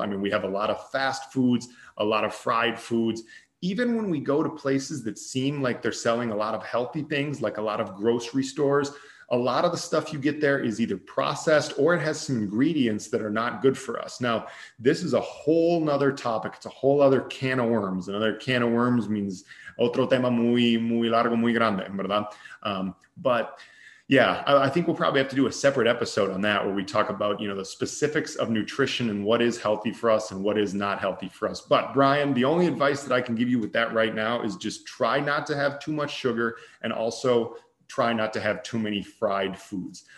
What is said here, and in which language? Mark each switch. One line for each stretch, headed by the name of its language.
English: I mean, we have a lot of fast foods, a lot of fried foods. Even when we go to places that seem like they're selling a lot of healthy things, like a lot of grocery stores, a lot of the stuff you get there is either processed or it has some ingredients that are not good for us. Now, this is a whole nother topic. It's a whole other can of worms. Another can of worms means
Spanish: otro tema muy, muy largo, muy grande, ¿verdad?
English: But yeah, I think we'll probably have to do a separate episode on that where we talk about, you know, the specifics of nutrition and what is healthy for us and what is not healthy for us. But Brian, the only advice that I can give you with that right now is just try not to have too much sugar and also try not to have too many fried foods.